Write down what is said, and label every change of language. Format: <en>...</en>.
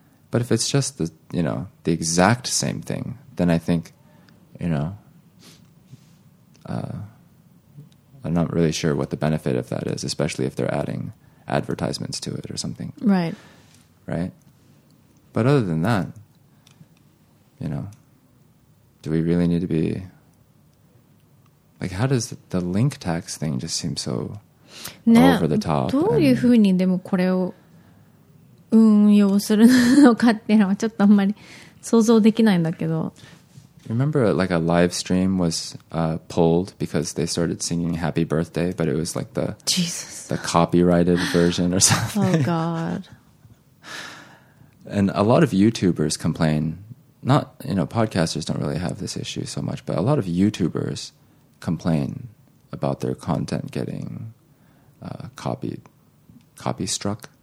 <en>But if it's just the, you know, the exact same thing, then I think, you know, I'm not really sure what the benefit of that is, especially if they're adding advertisements to it or something. Right. Right? But other than that, you know, do we really need to be... Like, how does the link tax thing just seem so over the top?</en> <ja>どういうふうにでもこれを運用するのかっていうのはちょっとあんまり想像できないんだけど。</ja> <en>Remember, like a live stream was pulled because they started singing "Happy Birthday," but it was like the Jesus. The copyrighted version or something. Oh God! And a lot of YouTubers complain. Not, you know, podcasters don't really have this issue so much, but a lot of YouTubers complain about their content getting copy struck.</en>